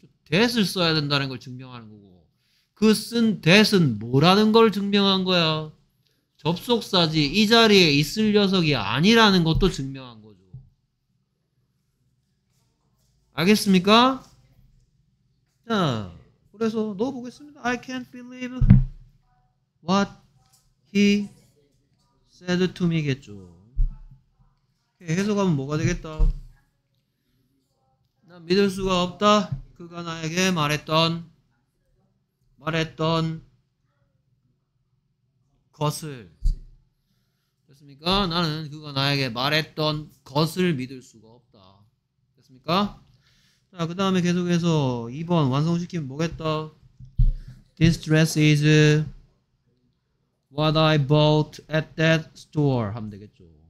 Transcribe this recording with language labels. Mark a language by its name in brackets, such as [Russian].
[Korean] that을 써야 된다는 걸 증명하는 거고 그 쓴 that은 뭐라는 걸 증명한 거야. 접속사지 이 자리에 있을 녀석이 아니라는 것도 증명한 거죠. 알겠습니까? 자, 그래서 넣어보겠습니다. [English] I can't believe what he said to me겠죠. [Korean] 해석하면 뭐가 되겠다. 난 믿을 수가 없다. 그가 나에게 말했던 것을. 됐습니까? 나는 그가 나에게 말했던 것을 믿을 수가 없다. 됐습니까? 자, 그 다음에 계속해서 2번 완성시키면 뭐겠다? [English] This dress is what I bought at that store [Korean] 하면 되겠죠.